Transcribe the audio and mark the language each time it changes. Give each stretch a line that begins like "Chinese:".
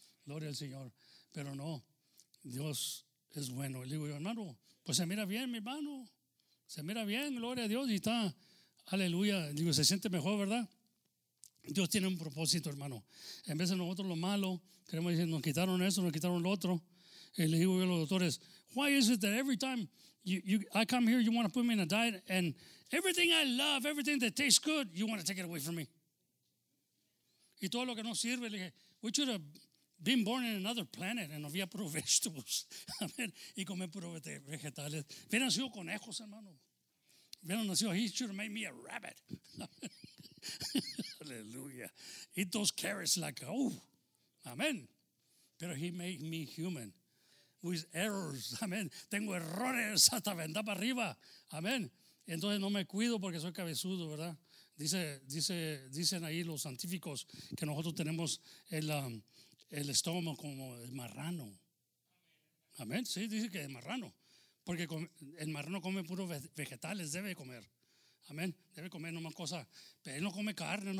Spanish: Gloria al Señor, pero no, Dios es bueno. Le digo yo, hermano, pues se mira bien, mi hermano, se mira bien, gloria a Dios, y está, aleluya, digo, se siente mejor, ¿verdad? Dios tiene un propósito, hermano. En vez de nosotros lo malo, queremos decir, nos quitaron eso, nos quitaron lo otro. Y le digo yo a los doctores,
English: why is it that every time I come here, you want to put me in a diet, and everything I love, everything that tastes good, you want to take it away from me?
Spanish: Y todo lo que no sirve, le dije,
English: we should have been born in another planet, and
Spanish: no había puro
English: vegetables.
Spanish: Y comer puro vegetales. Hubieran sido conejos, hermano. Hubieran nacido,
English: he should have made me a rabbit. Hallelujah. Eat those carrots like, oh, amen. Pero he made me human with errors, amen.
Spanish: Tengo errores hasta vendar para arriba, amen. Entonces no me cuido porque soy cabezudo, ¿verdad? Dicen ahí los científicos que nosotros tenemos el estómago como el marrano. Amen. Sí, dice que es marrano. Porque el marrano come puros vegetales, debe comer. Amén. Debe comer nomás cosas. Pero él no come carne.